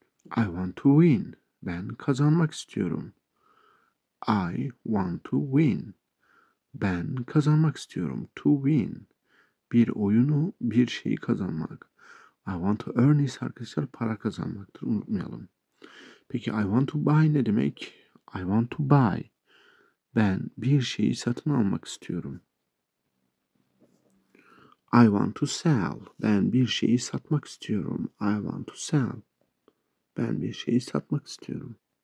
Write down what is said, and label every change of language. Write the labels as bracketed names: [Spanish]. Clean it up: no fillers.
[English] I want to win, [Turkish] ben kazanmak istiyorum. [English] I want to win, ben kazanmak istiyorum. To win, [Turkish] bir oyunu, bir şeyi kazanmak. [English] I want to earn is [Turkish] arkadaşlar para kazanmaktır, unutmayalım. Peki [English] I want to buy [Turkish] ne demek? [English] I want to buy, [Turkish] ben bir şeyi satın almak istiyorum. [English] I want to sell, [Turkish] ben bir şeyi satmak istiyorum. [English] I want to sell, [Turkish] ben bir şeyi satmak istiyorum.